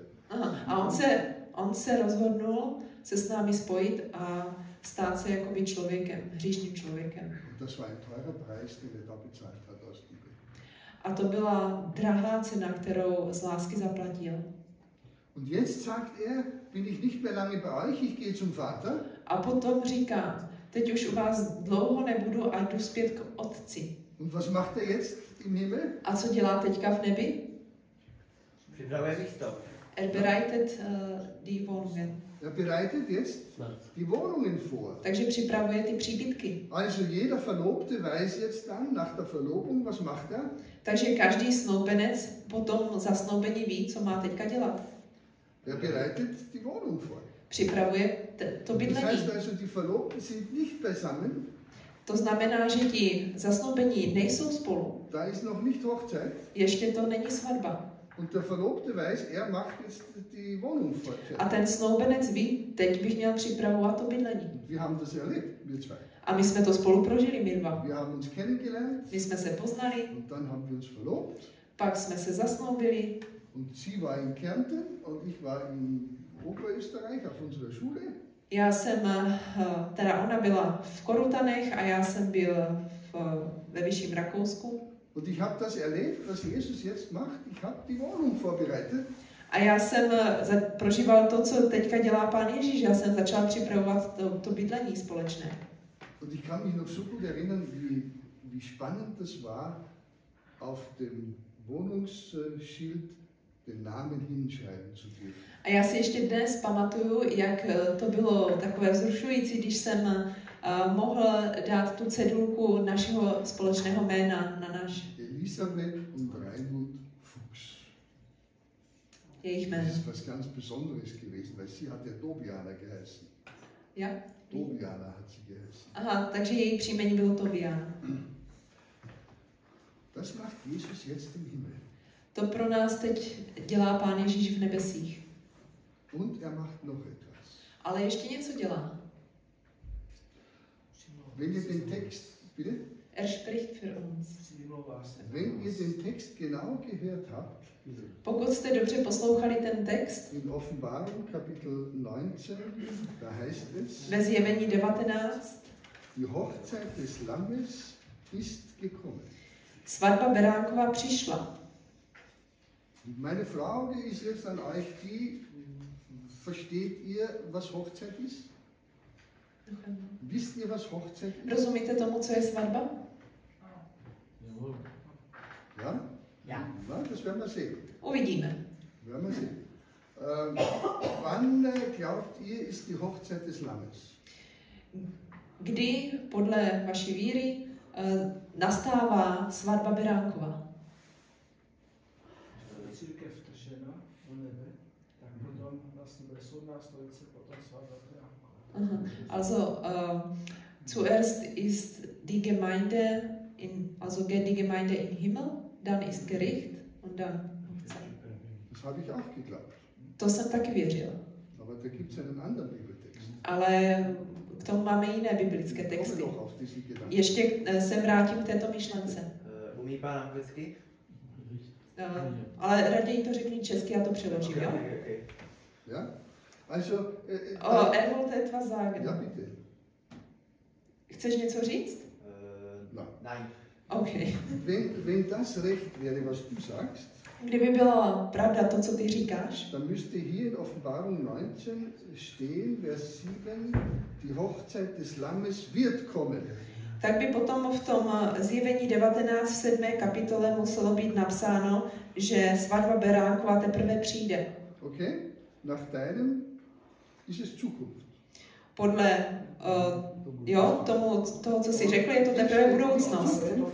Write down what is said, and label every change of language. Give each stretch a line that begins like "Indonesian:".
Czech: Aha, a on se rozhodnul se s námi spojit a stát se jakoby člověkem, hříšným člověkem.
German: Das war ein teurer Preis, den er da bezahlt hat aus Liebe.
Czech: A to byla drahá cena, kterou z lásky zaplatil.
German: Und jetzt sagt er, bin ich nicht mehr lange bei euch, ich gehe zum Vater.
Czech: A potom říká, teď už u vás dlouho nebudu a jdu zpět k otci.
German: Und was macht er jetzt im Himmel?
Czech: A co dělá teďka v nebi? Připravuje místo.
German: Er bereitet die Wohnungen. Er bereitet jetzt die Wohnungen vor.
Czech: Takže připravuje ty příbytky.
German: Also jeder Verlobte weiß jetzt dann nach der Verlobung, was macht er?
Czech: Takže každý snoubenec potom zasnoubení ví, co má teďka dělat.
German: Er bereitet die Wohnung vor.
Czech: Připravuje to bydlení.
German: Das heißt also, die Verlobten sind nicht beisammen.
Czech: To znamená, že ti zasnoubení nejsou spolu.
German: Da ist noch nicht Hochzeit.
Czech: Ještě to není svatba.
German: Und der Verlobte weiß, er macht jetzt die Wohnung vor.
Czech: A ten snoubenec ví, teď bych měl připravovat to bydlení.
German: Wir haben das erlebt, wir zwei.
Czech: A my jsme to spolu prožili, my dva.
German: Wir haben uns kennengelernt.
Czech: My jsme se poznali.
German: Und dann haben wir uns verlobt.
Czech: Pak jsme se zasnoubili.
German: Und sie war in Kärnten und ich war in Oberösterreich auf unserer Schule.
Czech: Já jsem, teda ona byla v Korutanech a já jsem byl ve Vyšším Rakousku.
German: Und ich habe das erlebt, was Jesus jetzt macht. Ich habe die Wohnung vorbereitet.
Czech: A já jsem prožíval to, co teďka dělá Pán Ježíš. Já jsem začal připravovat to bydlení společné.
German: Und ich kann mich noch so gut erinnern, wie spannend das war, auf dem Wohnungsschild den Namen hinschreiben zu dürfen.
Czech: A já si ještě dnes pamatuju, jak to bylo takové vzrušující, když jsem mohl dát tu cedulku našeho společného jména na náš.
German: Elisabeth und Raimund Fuchs.
Czech: Jejich jméno.
German: Das ist was ganz Besonderes gewesen, weil sie hat ja Tobiana geheißen. Ja? Tobiana hat sie geheißen.
Czech: Aha, takže její příjmení bylo Tobiana.
German: Das macht Jesus jetzt im Himmel.
Czech: To pro nás teď dělá Pán Ježíš v nebesích.
German: Und er macht noch etwas.
Czech: Ale ještě něco dělá.
German: Wenn ihr den Text, bitte? Er spricht für uns. Wenn ihr den Text genau gehört habt,
Czech: pokud jste dobře poslouchali ten text,
German: in Offenbarung Kapitel 19, da heißt es,
Czech: ve Zjevení 19,
German: die Hochzeit des Lammes ist gekommen.
Czech: Svatba Beránkova přišla.
German: Meine Frage ist jetzt an euch die, versteht ihr, was Hochzeit ist? Wisst ihr, was Hochzeit ist?
Czech: Rozumíte tomu, co je svatba?
German: Ja? Ja. Na, das werden wir sehen.
Czech: Uvidíme.
German: Werden wir sehen. Wann glaubt ihr, ist die Hochzeit des Lammes?
Czech: Kdy podle vaší víry nastává svatba Beránkova? Církev vtržena do nebe, tak potom vlastně bude soudná stolice, potom svatba Beránkova.
German: Also zuerst ist die Gemeinde in, also geht die Gemeinde in Himmel, dann ist Gericht und dann Hochzeit. Das habe ich auch geglaubt.
Czech: To jsem taky věřil.
German: Aber da gibt's einen anderen Bibeltext.
Czech: Ale k tomu máme jiné biblické texty. Ještě se vrátím k této myšlence. Umí pán anglicky? Ale raději to řekni česky, já to přeložím, jo?
German: Ja? Also, er wollte etwas sagen. Ja, bitte.
Czech: Chceš něco říct?
German: Nein. Okay. Wenn das recht wäre, was du sagst,
Czech: kdyby byla pravda to, co ty říkáš,
German: dann müsste hier in Offenbarung 19 stehen, Vers 7, die Hochzeit des Lammes wird kommen.
Czech: Tak by potom v tom Zjevení 19 v 7. kapitole muselo být napsáno, že svatba Beránkova teprve přijde. Okay.
German: Nach deinem ist es Zukunft.
Czech: Podle jo, tomu toho, co jsi řekl, je to teprve budoucnost.